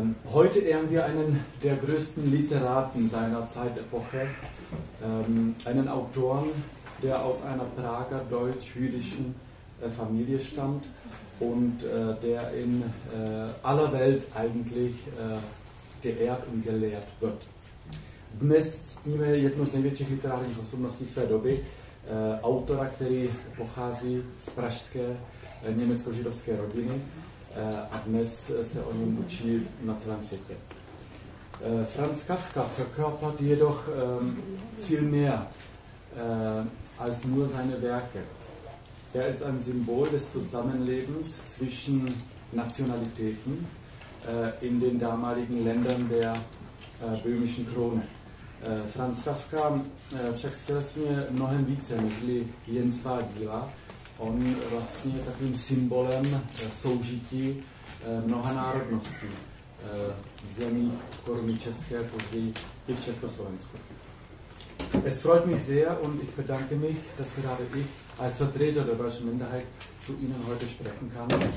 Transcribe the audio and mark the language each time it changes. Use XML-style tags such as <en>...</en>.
<de>Heute ehren wir einen der größten Literaten seiner Zeitepoche, einen Autoren, der aus einer Prager deutsch-jüdischen Familie stammt und der in aller Welt eigentlich geehrt und gelehrt wird.</de> <cs>Dnes ctíme jednu z největších literárních osobností své doby, autora, který pochází z pražské německo-židovské rodiny, a dnes se o něm učí na celém světě.</cs> <de>Franz Kafka verkörpert jedoch viel mehr als nur seine Werke. Er ist ein Symbol des Zusammenlebens zwischen Nationalitäten in den damaligen Ländern der böhmischen Krone.</de> <cs>Franz Kafka však stělesňuje mnohem více, nežli jen svá díla, On vlastně je takovým symbolem soužití mnoha národností v zemích, kromě české, později i v Československu.</cs> <de>Es freut mich sehr und ich bedanke mich, dass gerade ich als Vertreter der deutschen Minderheit zu Ihnen heute sprechen kann.</de>